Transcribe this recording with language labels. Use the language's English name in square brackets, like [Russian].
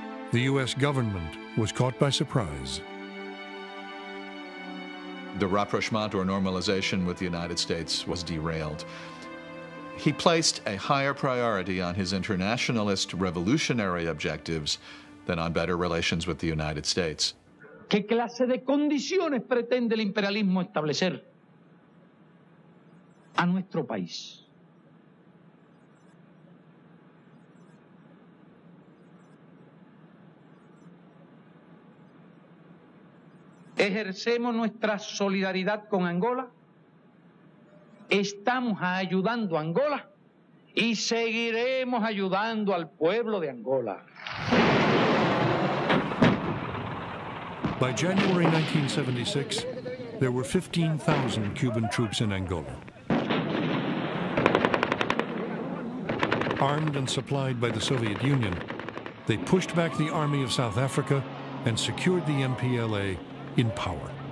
[English] The U.S. government was caught by surprise. The rapprochement, or normalization, with the United States was derailed. He placed a higher priority on his internationalist revolutionary objectives than on better relations with the United States. [Spanish] ¿Qué clase de condiciones pretende el imperialismo establecer a nuestro país? ejercemos nuestra solidaridad con Angola, estamos ayudando a Angola y seguiremos ayudando al pueblo de Angola. [English] By January 1976, there were 15,000 Cuban troops in Angola. Armed and supplied by the Soviet Union, they pushed back the Army of South Africa and secured the MPLA in power.